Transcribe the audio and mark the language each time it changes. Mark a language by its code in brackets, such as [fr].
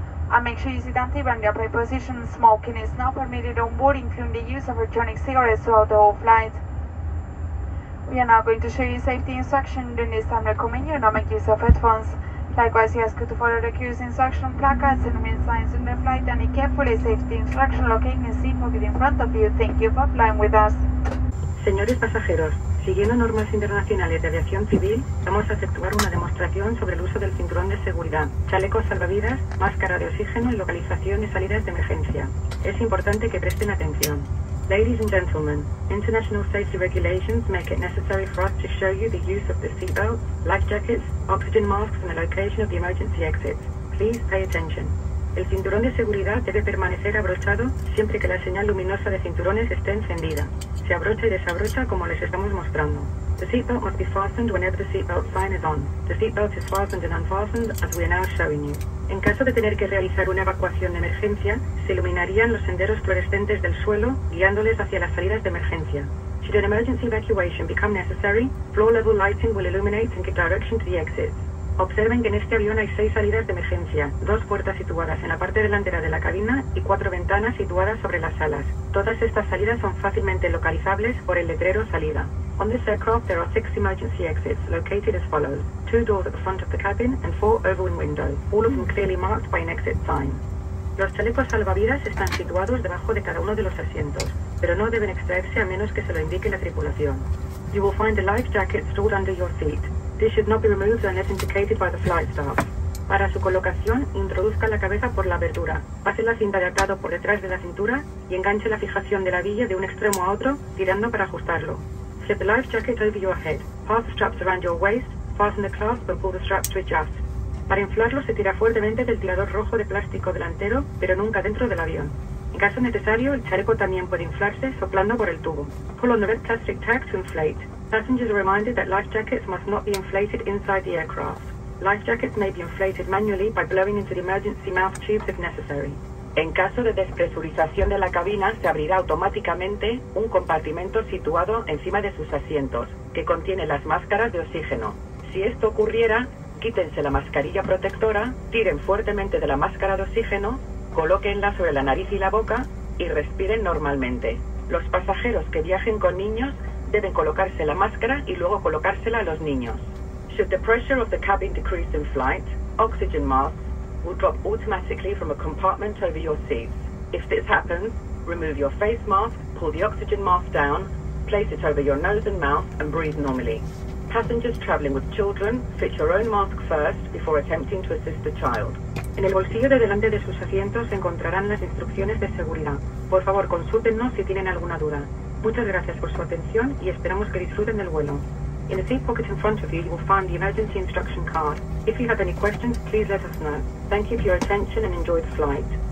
[en] And make sure you sit down even in the upright position. Smoking is not permitted on board, including the use of electronic cigarettes throughout the whole flight. We are now going to show you safety instructions. During this time, recommend you not make use of headphones. Likewise, you ask you to follow the crew's instruction placards and main signs in the flight and carefully safety instruction locating the seat pocket in front of you. Thank you for flying with us. [es] Señores pasajeros, siguiendo normas internacionales de aviación civil, vamos a efectuar una demostración sobre el uso del cinturón de seguridad, chalecos salvavidas, máscara de oxígeno y localización y salidas de emergencia. Es importante que presten atención. [en] Ladies and gentlemen, international safety regulations make it necessary for us to show you the use of the seatbelt, life jackets, oxygen masks and the location of the emergency exits. Please pay attention. [es] El cinturón de seguridad debe permanecer abrochado siempre que la señal luminosa de cinturones esté encendida. Se abrocha y desabrocha como les estamos mostrando. [en] The seatbelt must be fastened whenever the seatbelt sign is on. The seatbelt is fastened and unfastened as we are now showing you. [es] En caso de tener que realizar una evacuación de emergencia, se iluminarían los senderos fluorescentes del suelo, guiándoles hacia las salidas de emergencia. [en] Should an emergency evacuation become necessary, floor level lighting will illuminate in the direction to the exit. [es] Observen que en este avión hay 6 salidas de emergencia, 2 puertas situadas en la parte delantera de la cabina y 4 ventanas situadas sobre las alas. Todas estas salidas son fácilmente localizables por el letrero salida. [en] On this aircraft there are 6 emergency exits located as follows. 2 doors at the front of the cabin and 4 overwing windows, all of them clearly marked by an exit sign. [es] Los chalecos salvavidas están situados debajo de cada uno de los asientos, pero no deben extraerse a menos que se lo indique la tripulación. [en] You will find the life jacket stored under your seat. This should not be removed unless indicated by the flight staff. [es] Para su colocación, introduzca la cabeza por la abertura, pase la cinta de atado por detrás de la cintura y enganche la fijación de la villa de un extremo a otro, tirando para ajustarlo. [en] Flip the life jacket over your head, pass the straps around your waist, fasten the clasp and pull the strap to adjust. [es] Para inflarlo se tira fuertemente del tirador rojo de plástico delantero, pero nunca dentro del avión. En caso necesario, el chaleco también puede inflarse soplando por el tubo. [en] Pull on the red plastic tag to inflate. Passengers are reminded that life jackets must not be inflated inside the aircraft. Life jackets may be inflated manually by blowing into the emergency mouth tubes if necessary. [es] En caso de despresurización de la cabina, se abrirá automáticamente un compartimento situado encima de sus asientos, que contiene las máscaras de oxígeno. Si esto ocurriera, quítense la mascarilla protectora, tiren fuertemente de la máscara de oxígeno, colóquenla sobre la nariz y la boca y respiren normalmente. Los pasajeros que viajen con niños deben colocarse la máscara y luego colocársela a los niños. [en] Should the pressure of the cabin decrease in flight, oxygen masks will drop automatically from a compartment over your seats. If this happens, remove your face mask, pull the oxygen mask down, place it over your nose and mouth and breathe normally. Passengers traveling with children, fit your own mask first before attempting to assist the child. [es] En el bolsillo de delante de sus asientos se encontrarán las instrucciones de seguridad. Por favor, consúltenos si tienen alguna duda. Muchas gracias por su atención y esperamos que disfruten del vuelo. [en] In the seat pocket in front of you, you will find the emergency instruction card. If you have any questions, please let us know. Thank you for your attention and enjoy the flight.